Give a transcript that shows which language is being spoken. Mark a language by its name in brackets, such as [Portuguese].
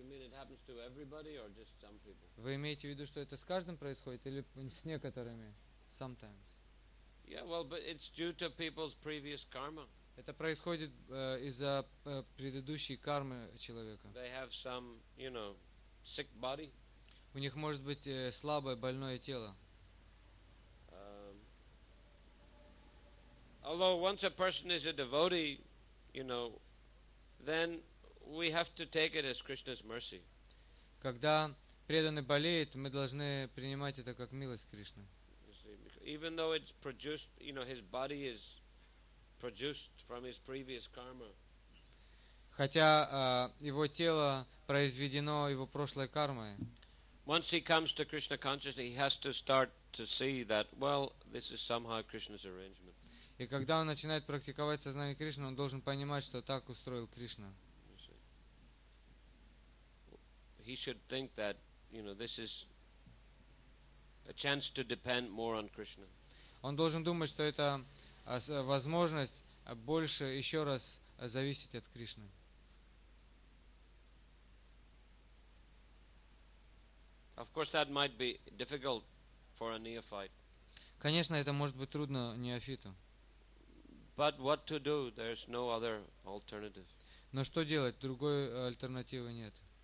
[English] You mean it happens to everybody or just some people? [Russian] Вы имеете в виду, что это с каждым происходит или с некоторыми? [English] Sometimes. Yeah, well, but it's due to people's previous karma. [Russian] Это происходит из-за предыдущей кармы человека. [English] They have some, you know, sick body. [Russian] У них может быть слабое, больное тело. [English] Although once a person is a devotee, you know, then we have to take it as Krishna's mercy. [Russian] Когда преданный болеет, мы должны принимать это как милость Кришны. [English] Even though it's produced, you know, his body is produced from his previous karma. [Russian] Хотя его тело произведено его прошлой кармой. [English] Once he comes to Krishna consciousness, he has to start to see that, well, this is somehow Krishna's arrangement. [Russian] И когда он начинает практиковать сознание Кришны, он должен понимать, что так устроил Кришна. [English] He should think that, you know, this is a chance to depend more on Krishna. [Russian] Он должен думать, что это возможность больше еще раз зависеть от Кришны. [English] Of course, that might be difficult for a neophyte. [Russian] Конечно, это может быть трудно неофиту. [English] But what to do? There's no other alternative. [Russian] Но что делать? Другой альтернативы нет.